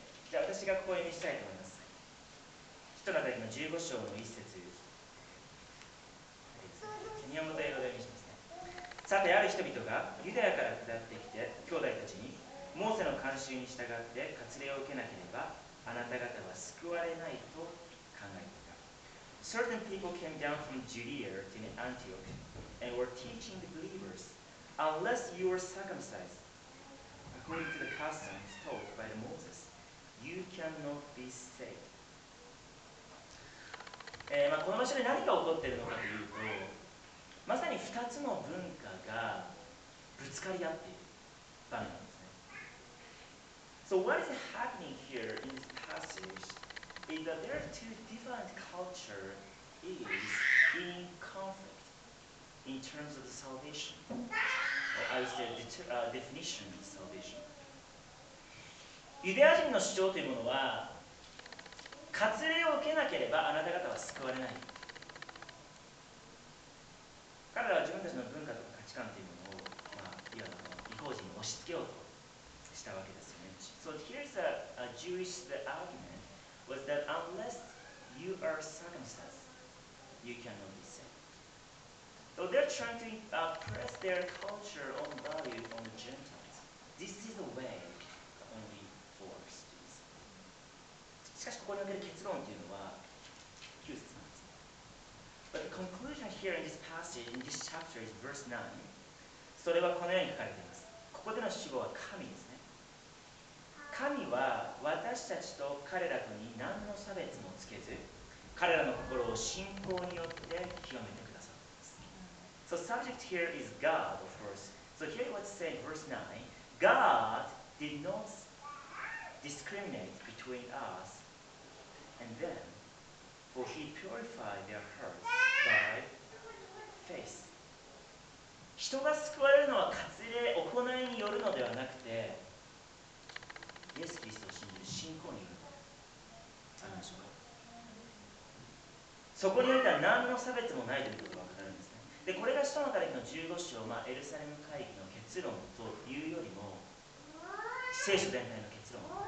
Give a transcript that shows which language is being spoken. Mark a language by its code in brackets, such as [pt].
[ja] じゃあ私がここを読みしたいと思います。使徒の働きの15章の1節、日本語と英語で読みしますね。さて、ある人々がユダヤから下ってきて、兄弟たちにモーセの慣習に従って割礼を受けなければあなた方は救われないと考えていた。 [en] Certain people came down from Judea to Antioch and were teaching the believers, unless you were circumcised according to the customs taught by the Moses, you cannot be saved. [ja] まあ、この場所で何が起こっているのかというと、まさに2つの文化がぶつかり合っている場面なんですね。 [en] So what is happening here in this passage is that there are two different cultures in conflict in terms of the salvation, or I would say the definition of salvation. [ja] ユダヤ人の主張というものは、割礼を受けなければあなた方は救われない。彼らは自分たちの文化とか価値観というものを、まあ、いわば異邦人に押し付けようとしたわけですよね。 [en] So here's a Jewish argument was that unless you are circumcised, you cannot be saved. So they're trying to press their culture on value on the Gentiles. This is a way. [ja] しかしここにおける結論というのは9節なんです。 [en] But the conclusion here in this passage, in this chapter, is verse 9. [ja] それはこのように書かれています。ここでの主語は神ですね。神は私たちと彼らとに何の差別もつけず、彼らの心を信仰によって清めてくださっています。 [en] So subject here is God, of course. So here what's saying, verse 9. God did not discriminate between us. And then, for he purified their hearts by faith. [ja] 人が救われるのは割礼、行いによるのではなくて、イエス・キリストを信じる信仰によるのではないでしょうか。そこにおいては何の差別もないということが分かるんですね。で、これが使徒の働きの15章、まあ、エルサレム会議の結論というよりも、聖書全体の結論。